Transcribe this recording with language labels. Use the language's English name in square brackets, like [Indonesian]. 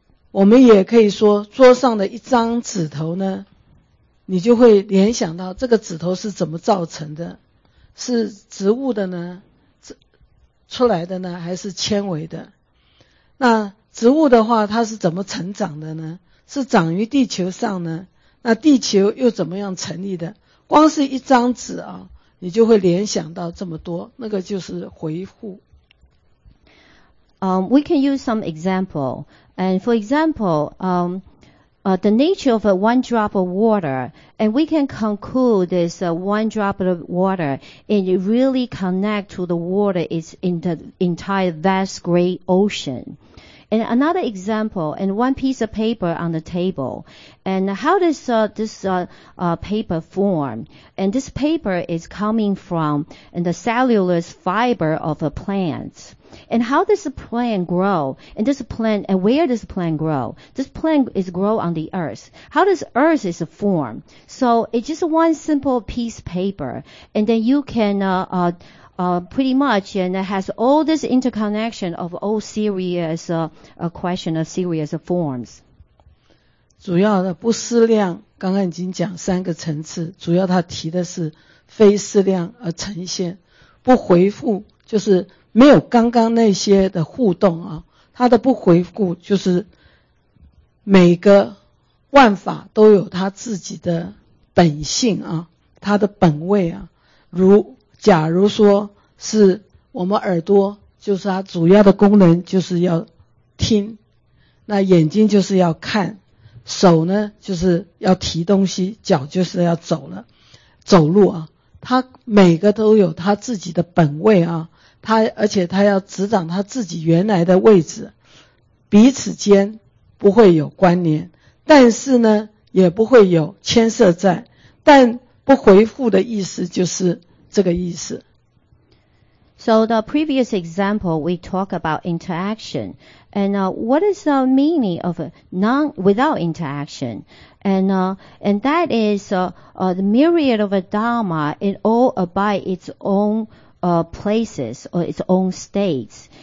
[Chinese] 我们也可以说，桌上的一张纸头呢，你就会联想到这个纸头是怎么造成的，是植物的呢，出来的呢，还是纤维的？那植物的话，它是怎么成长的呢？是长于地球上呢？那地球又怎么样成立的？光是一张纸啊，你就会联想到这么多，那个就是回复。 [English] We can use some example. And for example, the nature of one drop of water, and we can conclude this one drop of water, and it really connect to the water, its entire vast great ocean. And another example, and one piece of paper on the table. And how does paper form? And this paper is coming from in the cellulose fiber of a plant. And how does the plant grow? And this plant, and where does the plant grow? This plant is grow on the earth. How does earth is form? So it's just one simple piece of paper. And then you can pretty much, and it has all this interconnection of all serious question of serious forms. [Chinese] 主要的不思量，刚刚已经讲三个层次，主要他提的是非思量而呈现，不回复就是没有刚刚那些的互动啊，他的不回复就是每个万法都有他自己的本性啊，他的本位啊，如假如说是我们耳朵，就是它主要的功能就是要听，那眼睛就是要看，手呢就是要提东西，脚就是要走了，走路啊，它每个都有它自己的本位啊，它而且它要执掌它自己原来的位置，彼此间不会有关联，但是呢也不会有牵涉在，但不回复的意思就是这个意思。 [English] So the previous example, we talk about interaction. And, what is the meaning of non, without interaction? And that is, the myriad of a Dharma, it all abide its own, places or its own states.